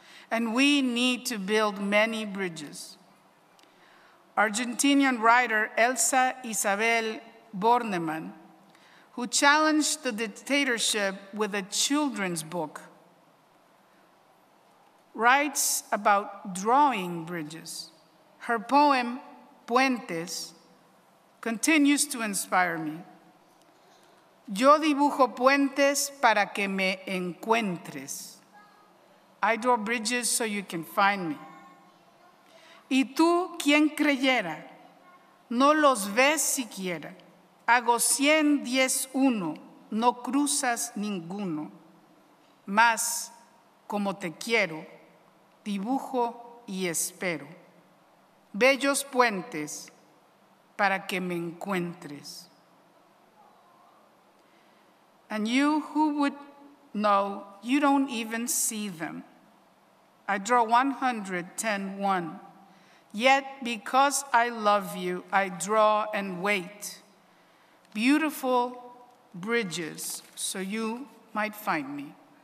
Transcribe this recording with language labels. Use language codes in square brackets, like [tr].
[en] And we need to build many bridges. Argentinian writer Elsa Isabel Bornemann, who challenged the dictatorship with a children's book, writes about drawing bridges. Her poem, Puentes, continues to inspire me. [es] Yo dibujo puentes para que me encuentres. [en] I draw bridges so you can find me. [es] Y tú, quien creyera, no los ves siquiera. Hago 110-1, no cruzas ninguno. Mas, como te quiero, dibujo y espero. Bellos puentes, para que me encuentres. [en] And you who would know, you don't even see them. I draw 110-1. Yet, because I love you, I draw and wait. Beautiful bridges, so you might find me.